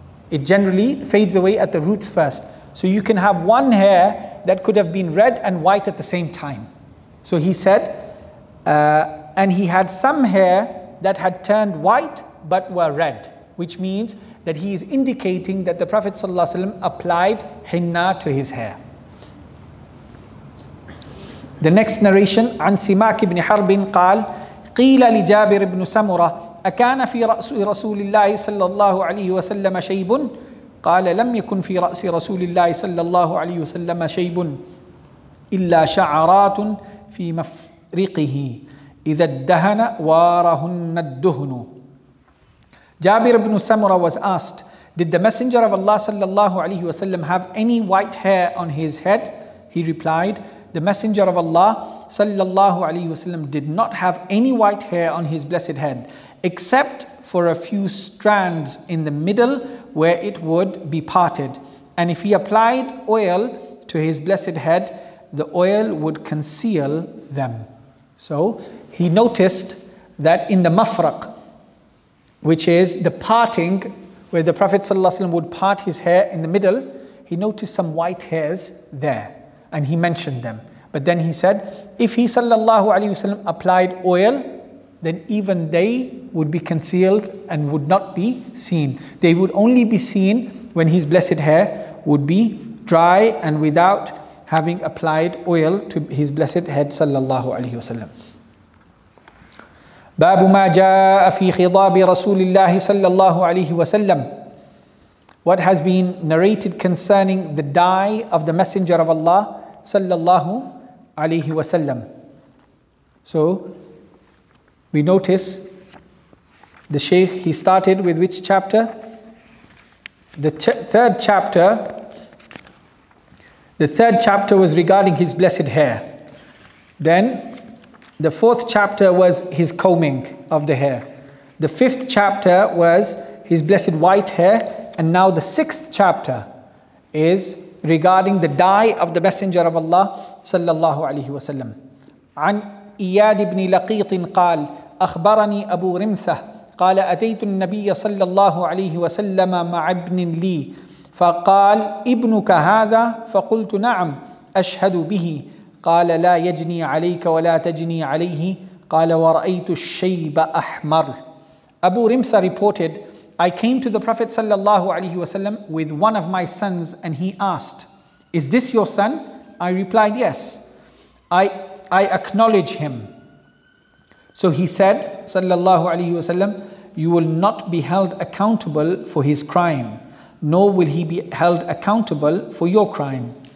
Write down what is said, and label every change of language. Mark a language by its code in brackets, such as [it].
[en] It generally fades away at the roots first. So you can have one hair that could have been red and white at the same time. So he said, and he had some hair that had turned white but were red, which means that he is indicating that the Prophet ﷺ applied henna to his hair. The next narration, [ar] عن سماك بن حرب قال قيل لجابر بن سمرة أكان في رأس رسول الله صلى الله عليه وسلم شيب قال لم يكن في رأس رسول الله صلى الله عليه وسلم شيب إلا شعرات في مفرقه إذا الدهن وارهن الدهن. [en] Jabir ibn Samura was asked, did the Messenger of Allah sallallahu alayhi wa sallam have any white hair on his head? He replied, the Messenger of Allah sallallahu alayhi wa sallam did not have any white hair on his blessed head, except for a few strands in the middle where it would be parted. And if he applied oil to his blessed head, the oil would conceal them. So he noticed that in the mafraq, which is the parting where the Prophet ﷺ would part his hair in the middle, he noticed some white hairs there and he mentioned them. But then he said, if he sallallahu alayhi wasallam applied oil, then even they would be concealed and would not be seen. They would only be seen when his blessed hair would be dry and without having applied oil to his blessed head sallallahu alayhi wasallam. [ar] باب ما جاء في خضاب رسول الله صلى الله عليه وسلم. [en] What has been narrated concerning the dye of the Messenger of Allah صلى الله عليه وسلم. So we notice the Shaykh, he started with which chapter? The third chapter. The third chapter was regarding his blessed hair. Then the fourth chapter was his combing of the hair. The fifth chapter was his blessed white hair. And now the sixth chapter is regarding the dye of the Messenger of Allah sallallahu alayhi wa sallam. [ar] عن إياد بن لقيط قال أخبرني أبو رمثة قال أتيت النبي صلى الله عليه وسلم مع ابن لي فقال ابنك هذا فقلت نعم أشهد به قال لا يجني عليك ولا تجني عليه قال ورأيت الشيب أحمر. [en] Abu Rimsa reported I came to the Prophet sallallahu alaihi wasallam with one of my sons, and he asked, "Is this your son?" I replied, "Yes." I acknowledge him. So he said, sallallahu alaihi wasallam, "You will not be held accountable for his crime, nor will he be held accountable for your crime."